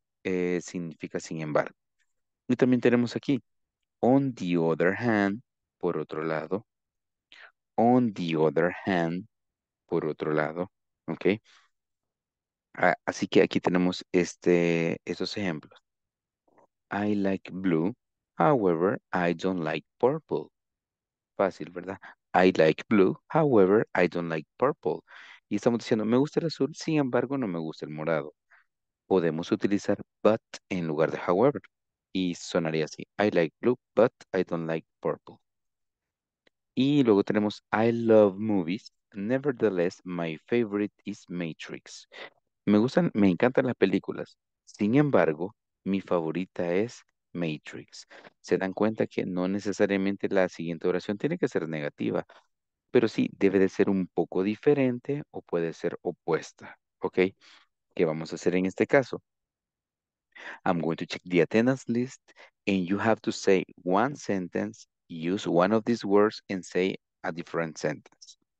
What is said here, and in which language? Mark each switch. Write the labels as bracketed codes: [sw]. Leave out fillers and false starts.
[es] Significa sin embargo. Y también tenemos aquí, [en] on the other hand, [es] por otro lado, on the other hand, por otro lado, ¿ok? Así que aquí tenemos estos ejemplos. [en] I like blue, however, I don't like purple. [es] Fácil, ¿verdad? [en] I like blue, however, I don't like purple. [es] Y estamos diciendo, me gusta el azul, sin embargo, no me gusta el morado. Podemos utilizar but en lugar de however. Y sonaría así. [en] I like blue, but I don't like purple. [es] Y luego tenemos [en] I love movies. Nevertheless, my favorite is Matrix. [es] Me encantan las películas. Sin embargo, mi favorita es Matrix. Se dan cuenta que no necesariamente la siguiente oración tiene que ser negativa, pero sí debe de ser un poco diferente o puede ser opuesta. ¿Ok? ¿Qué vamos a hacer en este caso? [en] I'm going to check the attendance list and you have to say one sentence, use one of these words and say a different sentence.